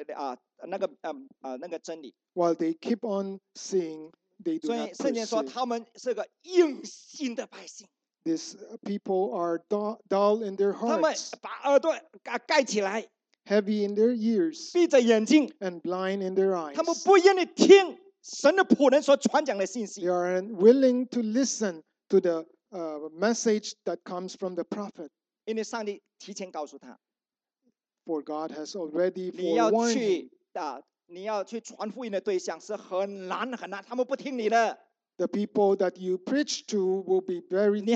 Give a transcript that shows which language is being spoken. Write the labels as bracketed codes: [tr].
[zh] 看见看是看见，他们但是他不了解这个了解那个真理。 [en] While they keep on seeing, they do not perceive. [zh] 所以圣经说他们是个硬心的百姓。 [en] These people are dull in their hearts. [zh] 他们把耳朵盖起来。 [en] Heavy in their ears, [zh] 闭着眼睛, [en] and blind in their eyes. [zh] 他们不愿意听神的仆人所传讲的信息。 [en] They are unwilling to listen to the message that comes from the prophet. [zh] 因为上帝提前告诉他, [en] For God has already forewarned. [zh] 你要去传福音的对象是很难很难, 他们不听你的。 [en] The people that you preach to will be very difficult.